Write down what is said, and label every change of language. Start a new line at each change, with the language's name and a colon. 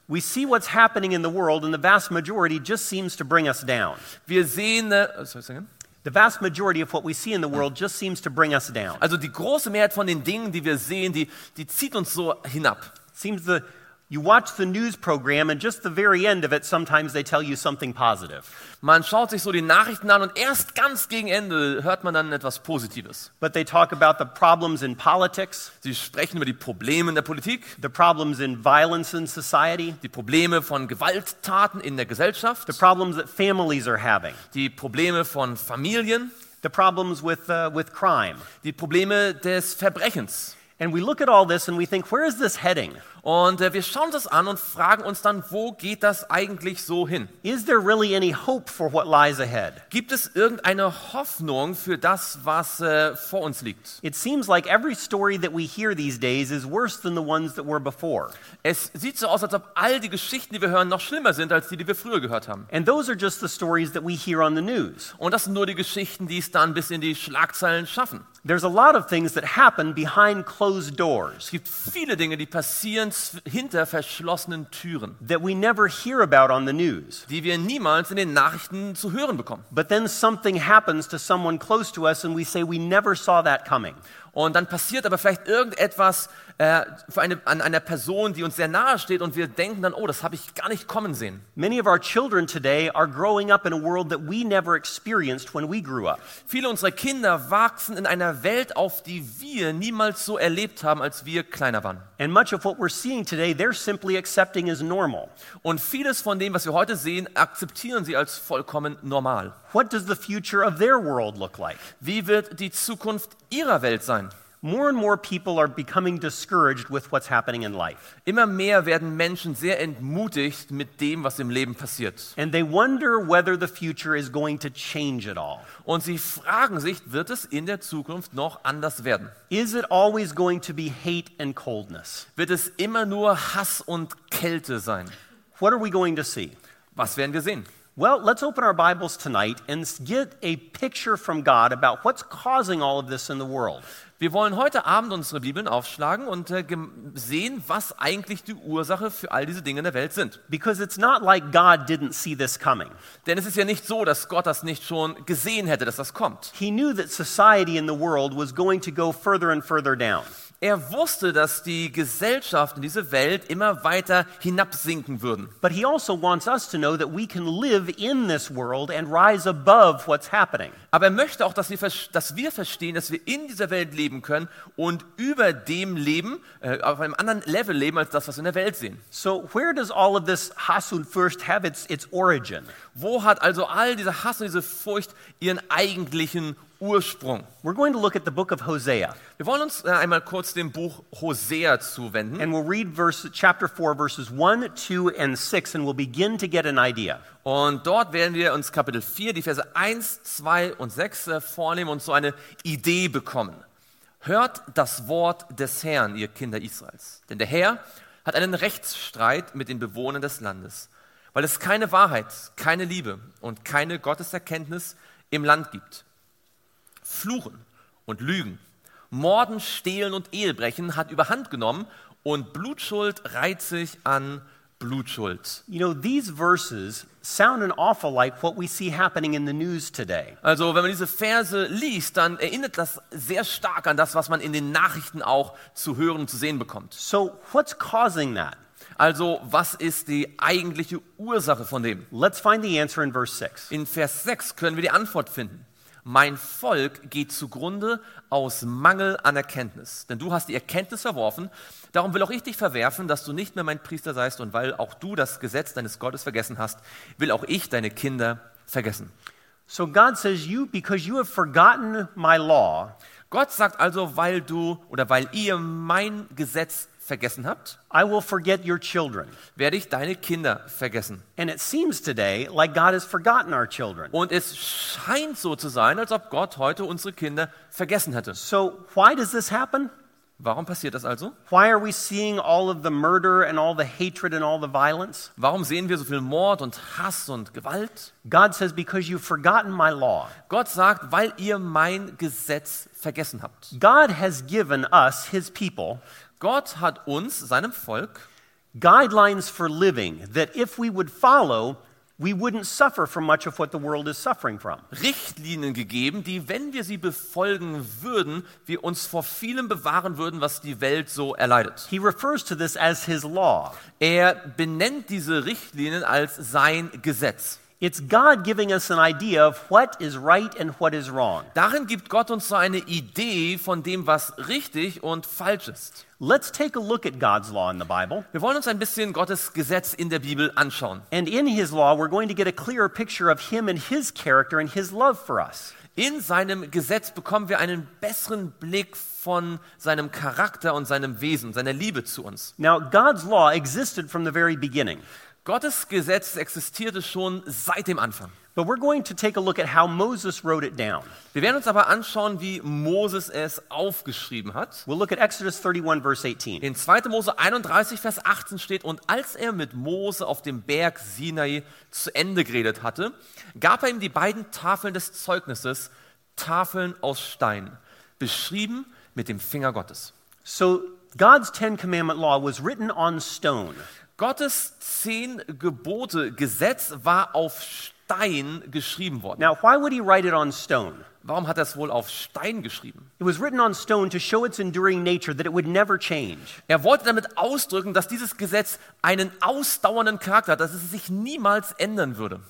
English: We see what's happening in the world and the vast majority just seems to bring us down.
German: Wir sehen
English: The vast majority of what we see in the world just seems to bring us down.
German: Also die große Mehrheit von den Dingen, die wir sehen, die zieht uns so hinab.
English: Seems the you watch the news program and just the very end of it sometimes they tell you something positive.
German: Man schaut sich so die Nachrichten an und erst ganz gegen Ende hört man dann etwas Positives.
English: But they talk about the problems in politics.
German: Sie sprechen über die Probleme in der Politik.
English: The problems in violence in society.
German: Die Probleme von Gewalttaten in der Gesellschaft.
English: The problems that families are having.
German: Die Probleme von Familien.
English: The problems with crime.
German: Die Probleme des Verbrechens.
English: And we look at all this and we think, where is this heading?
German: Und wir schauen das an und fragen uns dann, wo geht das eigentlich so hin?
English: Is there really any hope for what lies ahead?
German: Gibt es irgendeine Hoffnung für das, was vor uns liegt?
English: It seems like every story that we hear these days is worse than the ones that were before.
German: Es sieht so aus, als ob all die Geschichten, die wir hören, noch schlimmer sind als die wir früher gehört haben.
English: And those are just the stories that we hear on the news.
German: Und das sind nur die Geschichten, die es dann bis in die Schlagzeilen schaffen.
English: There's a lot of things that happen behind closed doors.
German: Es gibt viele Dinge, die passieren hinter verschlossenen Türen.
English: That we never hear about on the news.
German: Die wir niemals in den Nachrichten zu hören bekommen.
English: But then something happens to someone close to us and we say we never saw that coming.
German: Und dann passiert aber vielleicht irgendetwas an einer Person, die uns sehr nahe steht und wir denken dann, oh, das habe ich gar nicht kommen sehen.
English: Many of our children today are growing up in a world that we never experienced when we grew up.
German: Viele unserer Kinder wachsen in einer Welt auf, die wir niemals so erlebt haben, als wir kleiner waren.
English: And much of what we're seeing today, they're simply accepting as normal.
German: Und vieles von dem, was wir heute sehen, akzeptieren sie als vollkommen normal.
English: What does the future of their world look like?
German: Wie wird die Zukunft ihrer Welt sein?
English: More and more people are becoming discouraged with what's happening in life.
German: Immer mehr werden Menschen sehr entmutigt mit dem, was im Leben passiert.
English: And they wonder whether the future is going to change at all.
German: Und sie fragen sich, wird es in der Zukunft noch anders werden?
English: Is it always going to be hate and coldness?
German: Wird es immer nur Hass und Kälte sein?
English: What are we going to see?
German: Was werden wir sehen?
English: Well, let's open our Bibles tonight and get a picture from God about what's causing all of this in the world.
German: Wir wollen heute Abend unsere Bibeln aufschlagen und sehen, was eigentlich die Ursache für all diese Dinge in der Welt sind.
English: Because it's not like God didn't see this coming.
German: Denn es ist ja nicht so, dass Gott das nicht schon gesehen hätte, dass das kommt.
English: He knew that society in the world was going to go further and further down.
German: Er wusste, dass die Gesellschaft in dieser Welt immer weiter hinabsinken würden.
English: But he also wants us to know that we can live in this world and rise above what's happening.
German: Aber er möchte auch, dass wir verstehen, dass wir in dieser Welt leben können und über dem leben, auf einem anderen Level leben als das, was wir in der Welt sehen.
English: So where does all of this
German: Hass und Furcht
English: have its origin?
German: Wo hat also all dieser Hass und diese Furcht ihren eigentlichen Ursprung.
English: We're going to look at the book of Hosea.
German: Wir wollen uns einmal kurz dem Buch Hosea zuwenden.
English: And we'll read chapter 4, verses 1, 2 and 6 and we'll begin to get an idea.
German: Und dort werden wir uns Kapitel 4, die Verse 1, 2 und 6 vornehmen und so eine Idee bekommen. Hört das Wort des Herrn, ihr Kinder Israels. Denn der Herr hat einen Rechtsstreit mit den Bewohnern des Landes, weil es keine Wahrheit, keine Liebe und keine Gotteserkenntnis im Land gibt. Fluchen und Lügen, Morden, Stehlen und Ehebrechen hat überhand genommen und Blutschuld reiht sich an Blutschuld.
English: You know, these verses sound an awful like what we see happening in the news today.
German: Also, wenn man diese Verse liest, dann erinnert das sehr stark an das, was man in den Nachrichten auch zu hören und zu sehen bekommt.
English: So, what's causing that?
German: Also, was ist die eigentliche Ursache von dem?
English: Let's find the answer in verse 6.
German: In Vers 6 können wir die Antwort finden. Mein Volk geht zugrunde aus Mangel an Erkenntnis. Denn du hast die Erkenntnis verworfen. Darum will auch ich dich verwerfen, dass du nicht mehr mein Priester seist. Und weil auch du das Gesetz deines Gottes vergessen hast, will auch ich deine Kinder vergessen.
English: So God says, you, because you have forgotten my law.
German: Gott sagt also, weil du oder weil ihr mein Gesetz vergessen habt,
English: I will forget your children.
German: Werde ich deine Kinder vergessen.
English: And it seems today like God has forgotten our children.
German: Und es scheint so zu sein, als ob Gott heute unsere Kinder vergessen hätte.
English: So why does this happen?
German: Warum passiert das also?
English: Why are we seeing all of the murder and all the hatred and all the violence?
German: Warum sehen wir so viel Mord und Hass und Gewalt?
English: God says because you've forgotten my law.
German: Gott sagt, weil ihr mein Gesetz vergessen habt.
English: God has given us his people.
German: Gott hat uns, seinem Volk,
English: guidelines for living that if we would follow, we wouldn't suffer from much of what the world is suffering from.
German: Richtlinien gegeben, die, wenn wir sie befolgen würden, wir uns vor vielem bewahren würden, was die Welt so erleidet.
English: He refers to this as his law.
German: Er benennt diese Richtlinien als sein Gesetz.
English: It's God giving us an idea of what is right and what is wrong.
German: Darin gibt Gott uns so eine Idee von dem, was richtig und falsch ist.
English: Let's take a look at God's law in the Bible.
German: Wir wollen uns ein bisschen Gottes Gesetz in der Bibel anschauen.
English: And in his law we're going to get a clearer picture of him and his character and his love for us.
German: In seinem Gesetz bekommen wir einen besseren Blick von seinem Charakter und seinem Wesen, seiner Liebe zu uns.
English: Now God's law existed from the very beginning.
German: Gottes Gesetz existierte schon seit dem Anfang.
English: But we're going to take a look at how Moses wrote it down.
German: Wir werden uns aber anschauen, wie Moses es aufgeschrieben hat.
English: We'll look at Exodus 31, verse 18.
German: In 2. Mose 31, Vers 18 steht, und als er mit Mose auf dem Berg Sinai zu Ende geredet hatte, gab er ihm die beiden Tafeln des Zeugnisses, Tafeln aus Stein, beschrieben mit dem Finger Gottes.
English: So God's Ten Commandment Law was written on stone.
German: Gottes 10 Gebote Gesetz war auf Stein geschrieben worden.
English: Now, why would he write it on stone?
German: Warum hat er es wohl auf Stein geschrieben?
English: It was written on stone to show its enduring nature, that it would never change.
German: Er wollte damit ausdrücken, dass dieses Gesetz einen ausdauernden Charakter hat, dass es sich niemals ändern würde.